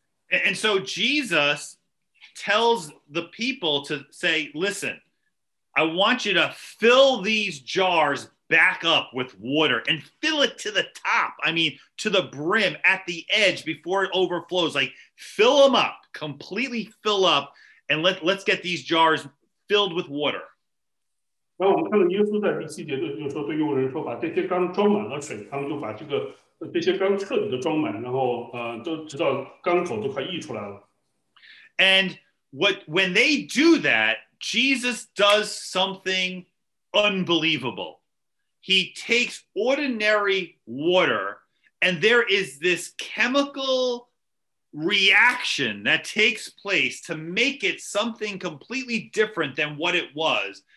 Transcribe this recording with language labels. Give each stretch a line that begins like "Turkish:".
English: And so Jesus tells the people to say, listen, I want you to fill these jars back up with water and fill it to the top. I mean, to the brim at the edge before it overflows. Like, fill them up, completely fill up, and let's get these jars filled with water.
Chinese: 然后我们看到耶稣在第七节就说，对佣人说，把这些缸装满了水，他们就把这个这些缸彻底的装满，然后直到缸口都快溢出来了。
English: And when they do that, Jesus does something unbelievable. He takes ordinary water, and there is this chemical reaction that takes place to make it something completely different than what it was.